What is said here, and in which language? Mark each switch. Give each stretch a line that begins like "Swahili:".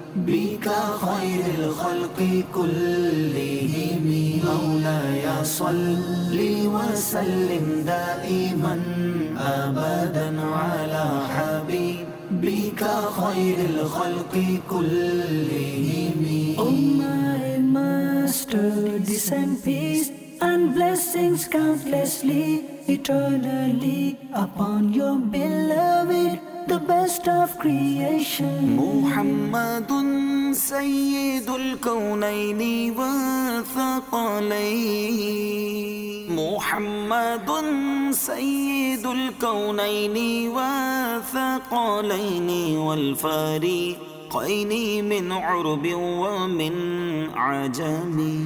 Arabic: بك خير الخلق كلهم مولاي صل وسلم دائما أبدا على حبيبك خير الخلق كلهم
English: Oh my master, descend peace and blessings countlessly eternally upon your beloved The best of creation
Arabic: محمد سيد الكونين وثقلين محمد سيد الكونين وثقلين والفريقين من عرب ومن عجم